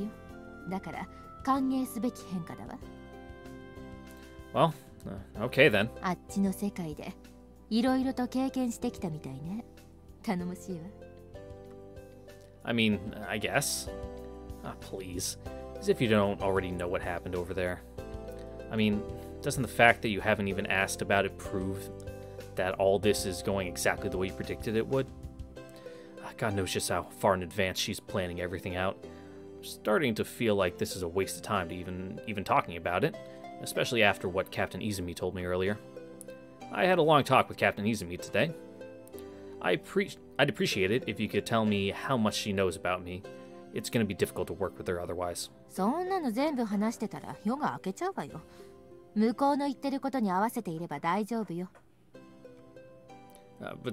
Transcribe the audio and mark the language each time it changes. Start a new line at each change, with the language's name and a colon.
Japanese: マリモが死んだ場所に自分から出向くなんて大した成長じゃない。あんたがそういうところを克服してくれるのは私にとってもプラスよ。だから歓迎すべき変化だわ。
English: Well, okay then.
Japanese: あっちの世界でいろいろと経験してきたみたいね。頼もしいわ。
English: I mean, I guess. Ah, please. As if you don't already know what happened over there. I mean, doesn't the fact that you haven't even asked about it prove that all this is going exactly the way you predicted it would? God knows just how far in advance she's planning everything out. I'm starting to feel like this is a waste of time to even talking about it, especially after what Captain Izumi told me earlier. I had a long talk with Captain Izumi today. I'd appreciate it if you could tell me how much she knows about me. It's going to be difficult to work with her otherwise.
Japanese: そんなの全部話してたら夜が明けちゃうわよ。向こうの言ってることに合わせていれば大丈夫よ。
English: But